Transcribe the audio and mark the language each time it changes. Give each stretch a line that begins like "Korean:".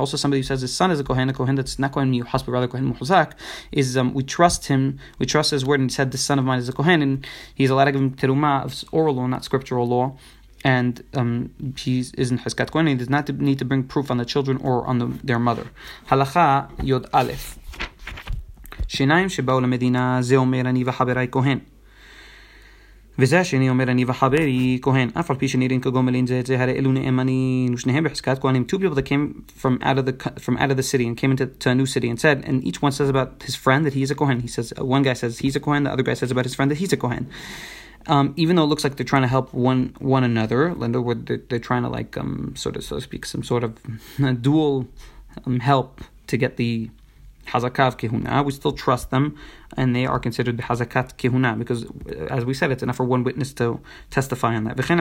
English: Also, somebody who says his son is a kohen that's not kohen miyuhas, but rather kohen muhzak, is we trust him, we trust his word, and he said, the son of mine is a kohen, and he's allowed to give him teruma of oral law, not scriptural law, and he is in chazkat kohen, and he does not need to bring proof on the children or on their mother.
Hebrew: Halacha yod aleph. שיניים שבאו למדינה זה אומר אני וחבריי כהן וזה השני אומר אני וחברי כהן אף על פי שנראים כגומלין זה את זה הרי אלו נאמנים ושניהם בחזקת כהנים.
English: Two people that came from out of the city and came into a new city and said, and each one says about his friend that he is a kohen. He says, one guy says he's a kohen, the other guy says about his friend that he's a kohen. Even though it looks like they're trying to help one another, Linda, where they're trying to dual help to get the Hazakah of Kehuna, we still trust them, and they are considered Hazakat Kehuna, because as we said, it's enough for one witness to testify on that.